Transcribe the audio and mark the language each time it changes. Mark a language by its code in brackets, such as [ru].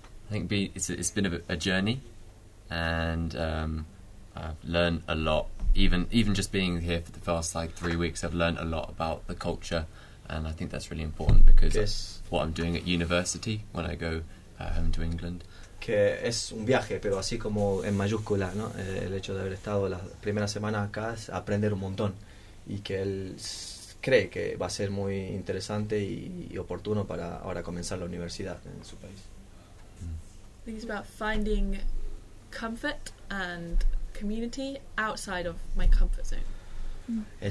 [en] I think it's been a journey, and I've learned a lot. Even just being here for the past like 3 weeks, I've learned a lot about the culture, and I think that's really important because yes. What I'm doing at university when I go home to England. [es] Que es un viaje, pero así como en mayúscula, ¿no? El hecho de haber estado las primeras semanas acá es aprender un montón, y que él cree que va a ser muy interesante y oportuno para ahora comenzar la universidad en su país. [en] I think it's about finding comfort and community outside of my comfort zone.